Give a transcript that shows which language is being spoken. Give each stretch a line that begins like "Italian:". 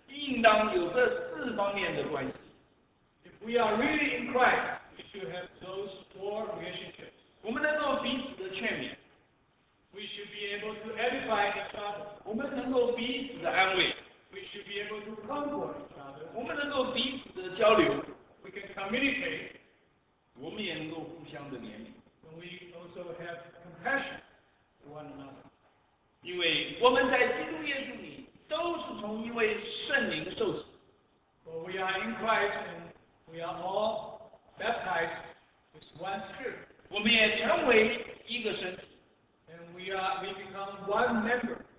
Chinese: 如果我们在基督里，我们应当有这四方面的关系。
English: If we are really in Christ, we should have those four relationships.
Chinese: 我们能够彼此的劝勉。
English: We should be able to edify each other.
Chinese: 我们能够彼此的安慰。
English: We should be able to comfort each other.
Chinese: 我们能够彼此的交流。
English: We can communicate.
Chinese: 我们也能够互相的怜悯。
English: And we also have compassion for one another.
Chinese: 因为我们在基督耶稣里都是从一位圣灵受洗。
English: For we are in Christ and we are all baptized with one spirit.
Chinese: 我们也成为一个身体。
English: And we become one member.